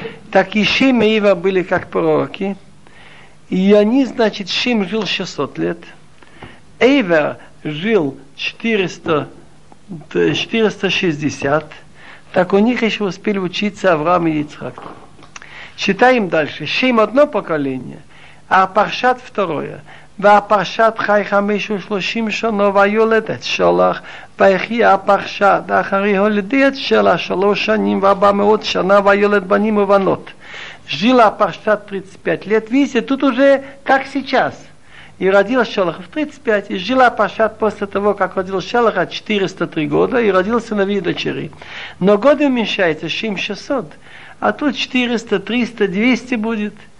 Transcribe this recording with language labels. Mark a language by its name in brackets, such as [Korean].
[Russian] Так и Шим и Ива были как пророки. И они, значит, Шим жил 600 лет. Ива жил 460. Так у них еще успели учиться Авраам и Ицхак. Читаем дальше. Шим одно поколение, а Паршат второе. [Hebrew] והפרשת חי 530 שנה ויולד את שלח והחי הפרשת אחרי הולדי את שלח 300 שנה ויולד בנים ובנות. [Russian] Жила Паршат 35 лет. Видите, тут уже как сейчас. И родил Шелоха в 35. И жила Паршат после того, как родил Шелоха 403 года и родил сыновей и дочерей. Но годы уменьшаются 7-600. А тут 400, 300, 200 будет.